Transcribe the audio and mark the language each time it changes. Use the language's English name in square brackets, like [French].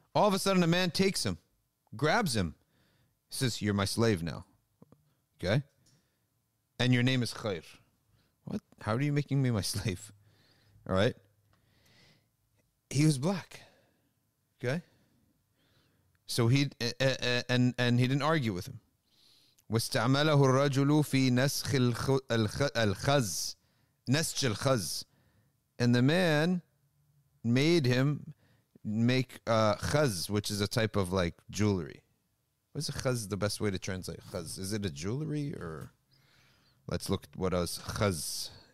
[English] All of a sudden, a man takes him, grabs him. He says, you're my slave now. Okay? And your name is Khair. What? How are you making me my slave? All right. He was black. Okay. So he and he didn't argue with him. [Arabic] واستعمله الرجل في نسخ الخز نسج الخز. [English] And the man made him make khaz, which is a type of like jewelry. What's a khaz, the best way to translate khaz? Is it a jewelry or let's look what is khaz.